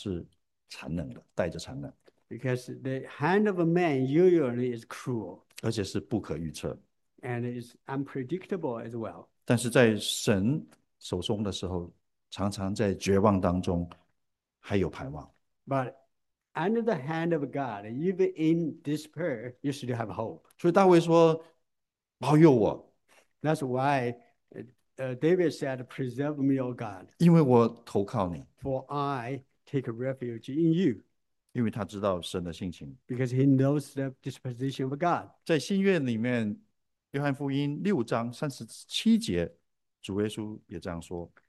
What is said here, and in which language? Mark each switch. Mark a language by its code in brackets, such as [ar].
[zh] 因为人的手常常是残忍的，带着残忍。 [en] Because the hand of a man usually is cruel [zh] 而且是不可预测。 [en] and is unpredictable as well. [zh] 但是在神手中的时候, 常常在绝望当中还有盼望。 [en] But under the hand of God, even in despair, you should have hope. [zh] 所以大卫说：“保佑我。” [en] That's why David said, Preserve me, O God, [zh] 因为我投靠你。 [en] for I take refuge in you. [zh] 因为他知道神的性情。 [en] Because he knows the disposition of God. [zh] 在新约里面, 约翰福音6章37节, 主耶稣也这样说。